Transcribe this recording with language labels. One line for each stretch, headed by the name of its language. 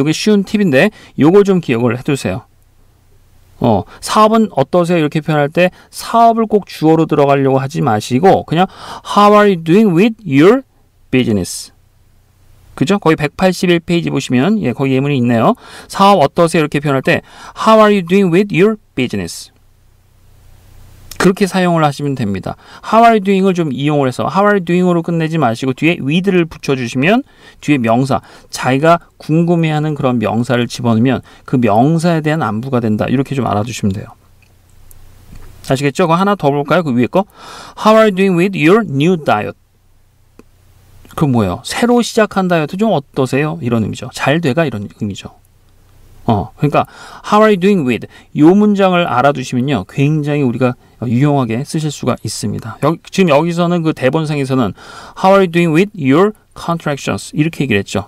Korean: 이게 쉬운 팁인데 이걸 좀 기억을 해두세요. 사업은 어떠세요? 이렇게 표현할 때 사업을 꼭 주어로 들어가려고 하지 마시고 그냥
English: How are you doing with your business?
Korean: 그죠? 거의 181페이지 보시면 예, 거기 예문이 있네요. 사업 어떠세요? 이렇게 표현할 때
English: How are you doing with your business?
Korean: 그렇게 사용을 하시면 됩니다.
English: How are you doing
Korean: 을 좀 이용을 해서 How are you doing으로 끝내지 마시고 뒤에 with를 붙여주시면 뒤에 명사, 자기가 궁금해하는 그런 명사를 집어넣으면 그 명사에 대한 안부가 된다. 이렇게 좀 알아두시면 돼요. 아시겠죠? 그거 하나 더 볼까요? 그 위에 거.
English: How are you doing with your new diet?
Korean: 그럼 뭐예요? 새로 시작한 다이어트 좀 어떠세요? 이런 의미죠. 잘 돼가 이런 의미죠. 그러니까
English: How are you doing with?
Korean: 요 문장을 알아두시면요. 굉장히 우리가 유용하게 쓰실 수가 있습니다. 지금 여기서는 그 대본상에서는
English: How are you doing with your contractions?
Korean: 이렇게 얘기를 했죠.